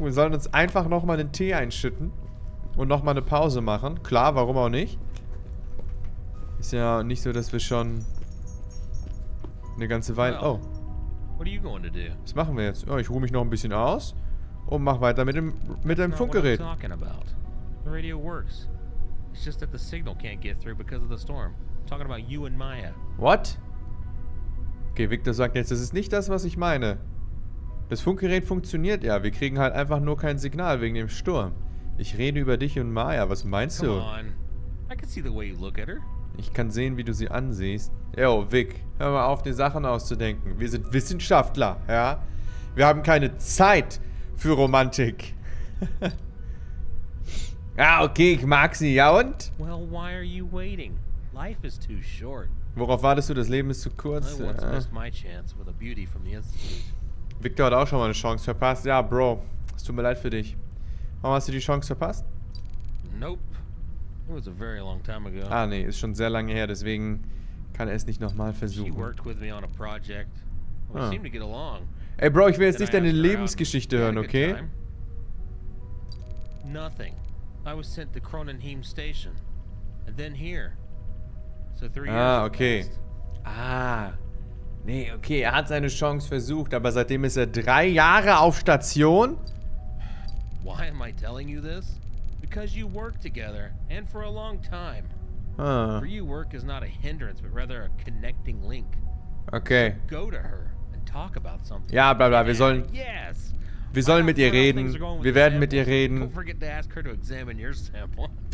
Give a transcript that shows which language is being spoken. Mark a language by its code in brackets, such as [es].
[de] Wir sollen uns einfach nochmal einen Tee einschütten. Und nochmal eine Pause machen. Klar, warum auch nicht. Ist ja nicht so, dass wir schon eine ganze Weile... Oh. [en] What are you going to do? [de] Was machen wir jetzt? Oh, ich ruhe mich noch ein bisschen aus und mach weiter mit dem Funkgerät. [en] What I'm talking about. The radio works. It's just that the signal can't get through because of the storm. I'm talking about you and Maya. What? [de] Okay, Victor sagt jetzt, das ist nicht das, was ich meine. Das Funkgerät funktioniert ja. Wir kriegen halt einfach nur kein Signal wegen dem Sturm. Ich rede über dich und Maya. Was meinst du? [en] Come on. I can see the way you look at her. [de] Ich kann sehen, wie du sie ansiehst. Yo, Vic, hör mal auf, dir Sachen auszudenken. Wir sind Wissenschaftler, ja? Wir haben keine Zeit für Romantik. Ja, okay, ich mag sie. Ja, und? [en] Well, why are you waiting? Life is too short. [de] Worauf wartest du? Das Leben ist zu kurz. [en] I once missed my chance with a beauty from the Institute. [de] Victor hat auch schon mal eine Chance verpasst. Ja, Bro, es tut mir leid für dich. Warum hast du die Chance verpasst? [en] Nope. It was a very long time ago. [de] Ah, nee, ist schon sehr lange her, deswegen kann er es nicht nochmal versuchen. [en] She worked with me on a project. We seemed to get along. [de] Ey, Bro, ich will jetzt nicht deine Lebensgeschichte hören, okay? [en] Nothing. I was sent to Cronenheim Station. And then here. So 3 years. Ah, okay. Ah. [de] Nee, okay, er hat seine Chance versucht, aber seitdem ist er 3 Jahre auf Station. [en] Why am I telling you this? Because you work together, and for a long time. Huh. For you, work is not a hindrance, but rather a connecting link. Okay. So go to her and talk about something. [de] Ja, bla bla, wir sollen... [en] Yes. [de] Wir sollen mit ihr reden. Wir werden mit ihr reden. [en] Don't forget to ask her to examine your sample.